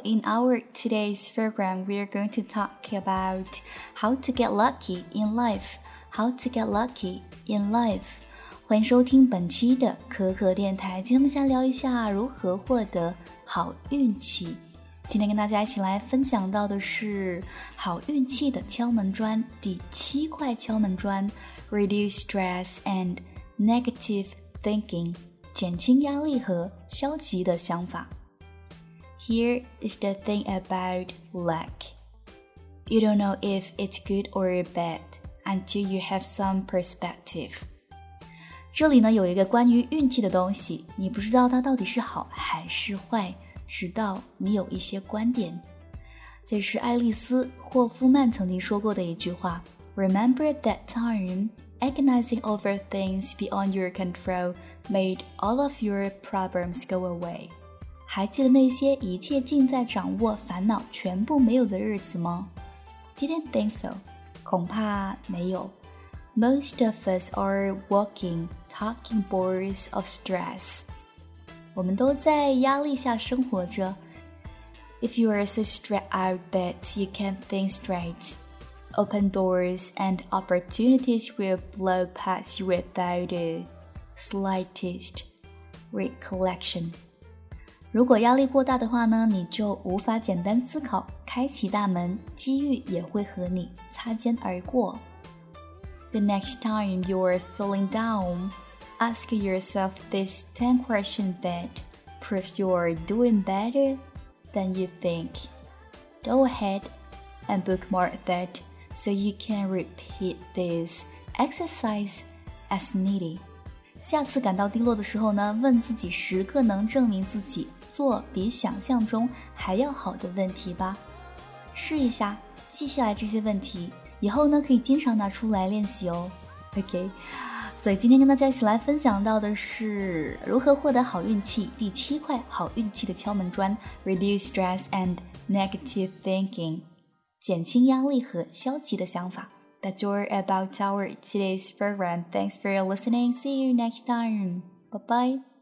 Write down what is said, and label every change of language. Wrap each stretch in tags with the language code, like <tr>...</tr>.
<en>In our today's program, we are going to talk about how to get lucky in life. How to get lucky in life.</en> <zh>欢迎收听本期的可可电台。今天我们先聊一下如何获得好运气。今天跟大家一起来分享到的是好运气的敲门砖，第七块敲门砖 ,</zh> <en>Reduce stress and negative thinking.</en> <zh>减轻压力和消极的想法。</zh> <en>Here is the thing about luck. You don't know if it's good or bad until you have some perspective.</en> <zh>这里呢有一个关于运气的东西，你不知道它到底是好还是坏，直到你有一些观点。这是爱丽丝·霍夫曼曾经说过的一句话。</zh> <en>Remember that time agonizing over things beyond your control made all of your problems go away.</en> <zh>还记得那些一切尽在掌握、烦恼全部没有的日子吗？</zh> <en>Didn't think so.</en> <zh>恐怕没有。</zh> <en>Most of us are walking, talking boards of stress.</en> <zh>我们都在压力下生活着。</zh> <en>If you are so stressed out that you can't think straight,Open doors and opportunities will blow past you without the slightest recollection.</en> <zh>如果压力过大的话呢，你就无法简单思考，开启大门，机遇也会和你擦肩而过。</zh> <en>The next time you are feeling down, ask yourself these 10 questions that prove you are doing better than you think. Go ahead and bookmark that. So you can repeat this exercise as needed.</en> <zh>下次感到低落的时候呢，问自己十个能证明自己做比想象中还要好的问题吧。试一下，记下来这些问题，以后呢可以经常拿出来练习哦。 OK, 所以今天跟大家一起来分享到的是如何获得好运气，第七块好运气的敲门砖 ,</zh> <en>Reduce stress and negative thinking.</en> <zh>减轻压力和消极的想法。</zh> <en>That's all about our today's program. Thanks for your listening. See you next time. Bye-bye.</en>